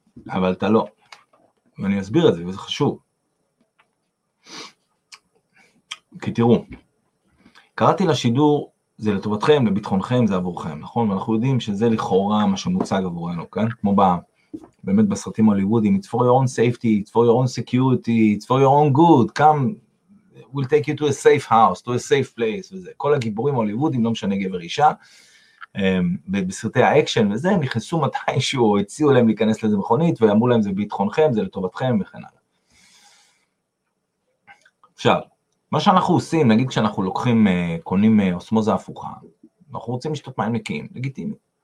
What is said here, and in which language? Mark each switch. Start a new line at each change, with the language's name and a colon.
Hebrew: אבל אתה לא. ואני אסביר את זה, וזה חשוב. כי תראו, קראתי לשידור, זה לטובתכם, לביטחונכם, זה עבורכם, נכון? ואנחנו יודעים שזה לכאורה מה שמוצג עבורנו, כן? כמו באמת בסרטים הוליוודיים,
English: it's for your own safety, it's for your own security, it's for your own good, come, we'll take you to a safe house, to a safe place,
Hebrew: וזה. כל הגיבורים הוליוודיים, לא משנה גבר אישה, בסרטי האקשן וזה, הם נכנסו מתישהו, הציעו להם להיכנס לזה מכונית, ואמרו להם זה ביטחונכם, זה לטובתכם וכן הלאה. עכשיו, מה שאנחנו עושים, נגיד כשאנחנו לוקחים, קונים אוסמוזה הפוכה, אנחנו רוצים לשתות מים נקיים, לגיטימי.